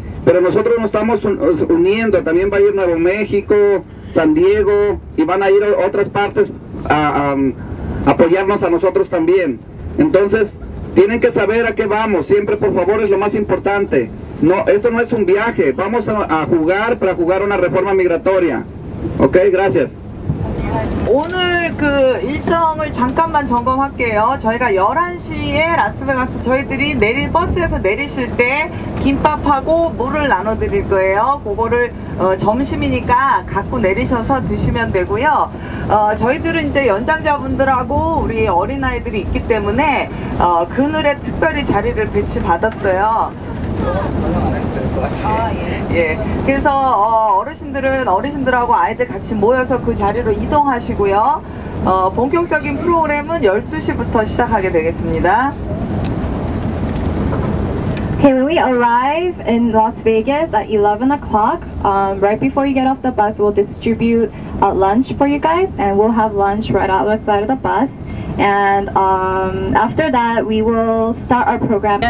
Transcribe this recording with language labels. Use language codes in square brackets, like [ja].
[es] Pero nosotros nos estamos uniendo, también va a ir Nuevo México, San Diego, y van a ir a otras partes a apoyarnos a nosotros también. Entonces, tienen que saber a qué vamos, siempre por favor, es lo más importante. No, esto no es un viaje, vamos a jugar para jugar una reforma migratoria. Ok, gracias. [ko] 오늘 그 일정을 잠깐만 점검할게요. 저희가 11시에 라스베가스 저희들이 내릴 버스에서 내리실 때 김밥하고 물을 나눠 드릴 거예요. 그거를 점심이니까 갖고 내리셔서 드시면 되고요. 저희들은 이제 연장자분들하고 우리 어린아이들이 있기 때문에 그늘에 특별히 자리를 배치받았어요. 예. 그래서 어르신들은 어르신들하고 아이들 같이 모여서 그 자리로 이동하시고요. 본격적인 프로그램은 12시부터 시작하게 되겠습니다. [en] Okay, when we arrive in Las Vegas at 11 o'clock, right before you get off the bus, we'll distribute a lunch for you guys, and we'll have lunch right outside of the bus. And after that, we will start our program.